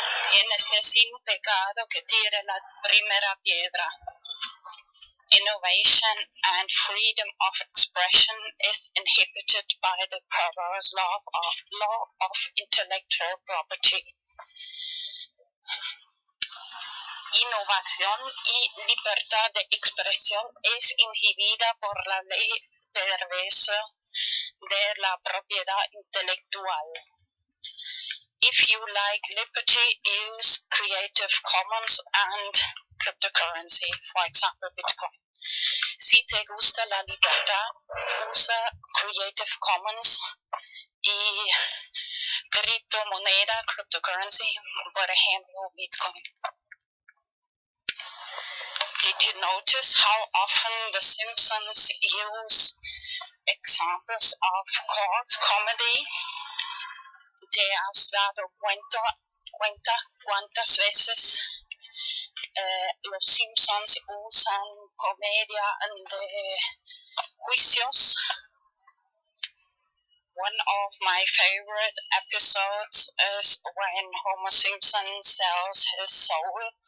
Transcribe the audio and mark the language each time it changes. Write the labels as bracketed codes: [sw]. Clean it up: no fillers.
[es] ¿Quién esté sin pecado que tire la primera piedra? [en] Innovation and freedom of expression is inhibited by the perverse law of intellectual property. [es] Innovación y libertad de expresión es inhibida por la ley perversa de la propiedad intelectual. [en] If you like liberty, use Creative Commons and cryptocurrency, for example, Bitcoin. [es] Si te gusta la libertad, usa Creative Commons y criptomoneda, cryptocurrency, por ejemplo, Bitcoin. [en] Did you notice how often the Simpsons use examples of court comedy? [es] ¿Te has dado cuenta cuántas veces los Simpsons usan comedia de juicios? [en] One of my favorite episodes is when Homer Simpson sells his soul.